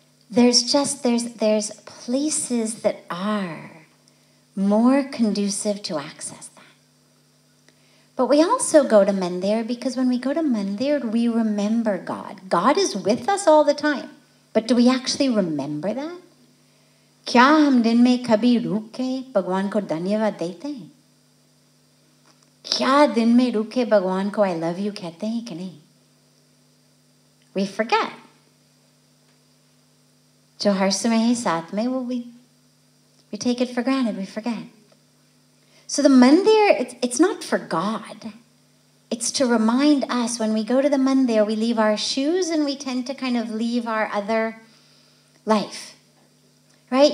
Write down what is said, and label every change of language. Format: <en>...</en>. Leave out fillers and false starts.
<en>There's places that are more conducive to access that. But we also go to mandir because when we go to mandir, we remember God. God is with us all the time. But do we actually remember that?</en> <hi>क्या हम दिन में कभी रुके भगवान को धन्यवाद देते हैं? क्या दिन में रुके भगवान को</hi> <en>I love you</en> <hi>कहते हैं कि नहीं?</hi> <en>We forget.</en> <hi>जो हर समय है साथ में,</hi> <en>well, we take it for granted, we forget. So the mandir, it's not for God. It's to remind us when we go to the mandir, we leave our shoes and we tend to kind of leave our other life. Right?</en>